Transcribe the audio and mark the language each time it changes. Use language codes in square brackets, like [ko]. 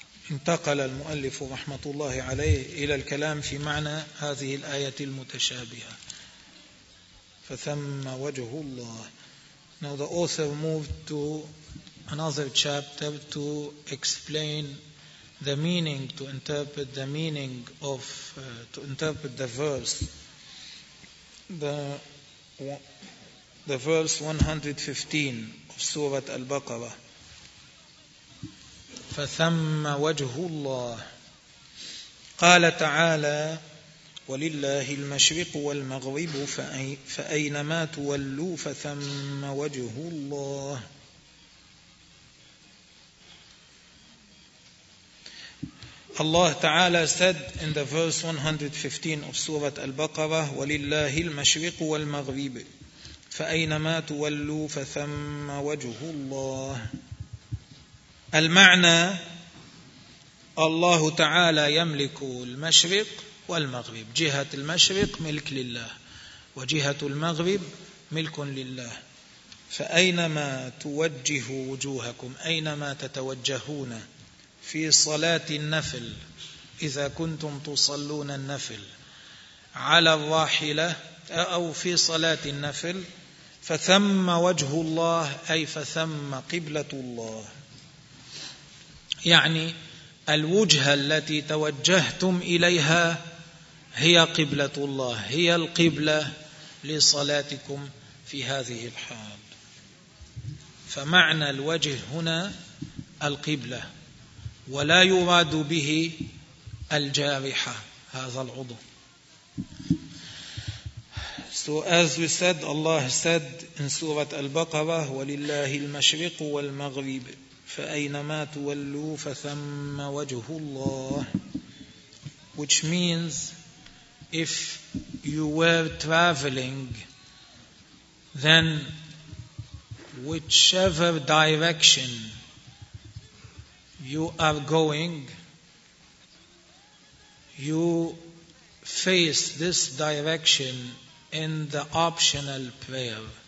[ar] انتقل المؤلف رحمة الله عليه إلى الكلام في معنى هذه الآية المتشابهة. فثم وجه الله. [en] Now the author moved to another chapter to explain the meaning, to interpret the meaning of, to interpret the verse. The verse 115 of Surah Al-Baqarah. [ar] فَثَمَّ وَجْهُ اللَّهِ قَالَ تَعَالَى وَلِلَّهِ الْمَشْرِقُ وَالْمَغْرِبُ فَأَيْنَمَا تُوَلُّوا فَثَمَّ وَجْهُ اللَّهِ. [en] Allah Ta'ala said in the verse 115 of Surah Al-Baqarah, [ar] وَلِلَّهِ الْمَشْرِقُ وَالْمَغْرِبُ فَأَيْنَمَا تُوَلُّوا فَثَمَّ وَجْهُ اللَّهِ. المعنى الله تعالى يملك المشرق والمغرب، جهة المشرق ملك لله وجهة المغرب ملك لله. فأينما توجه وجوهكم، أينما تتوجهون في صلاة النفل، إذا كنتم تصلون النفل على الراحلة أو في صلاة النفل، فثم وجه الله أي فثم قبلة الله، يعني الوجهة التي توجهتم إليها هي قبلة الله، هي القبلة لصلاتكم في هذه الحال. فمعنى الوجه هنا القبلة، ولا يراد به الجارحة، هذا العضو. [en] So as we said, Allah said in Surah Al-Baqarah, [ar] ولله المشرق والمغرب فَأَيْنَمَا تُوَلُّوا فَثَمَّ وَجْهُ اللَّهِ. [en] Which means, if you were traveling, then whichever direction you are going, you face this direction in the optional prayer.